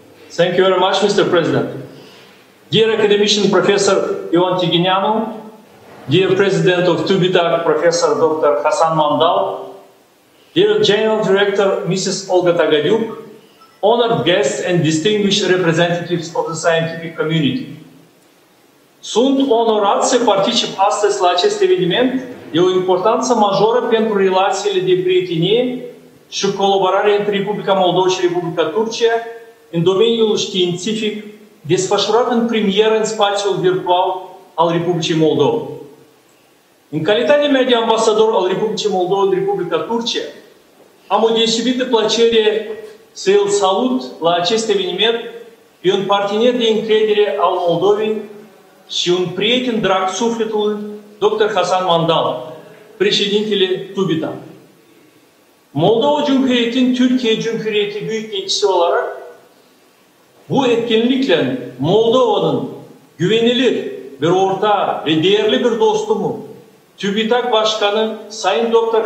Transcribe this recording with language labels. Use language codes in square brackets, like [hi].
[en] Thank you very much, Mr. President. Dear Academician Professor Ion Tigineanu, dear President of TÜBİTAK, Professor Dr. Hasan Mandal, dear General Director Mrs. Olga Tagadyuk, honored guests and distinguished representatives of the scientific community. [ro] Sunt onorat să particip astăzi la acest eveniment de o importanță majoră pentru relațiile de prietenie și colaborare între Republica Moldova și Republica Turcia în domeniul științific desfășurat în premieră în spațiul virtual al Republicii Moldova. În calitate mea de ambasador al Republicii Moldova în Republica Turcia, am o deosebită plăcere să îl salut la acest eveniment pe un partener de încredere al Moldovei și un prieten drag sufletului, Dr. Hasan Mandal, președintele TÜBİTAK. [tr] Moldova Cumhuriyeti'nin Türkiye Cumhuriyeti Büyükelçisi olarak bu etkinlikle Moldova'nın güvenilir bir ortağı ve değerli bir dostumu TÜBİTAK Başkanı Sayın Dr.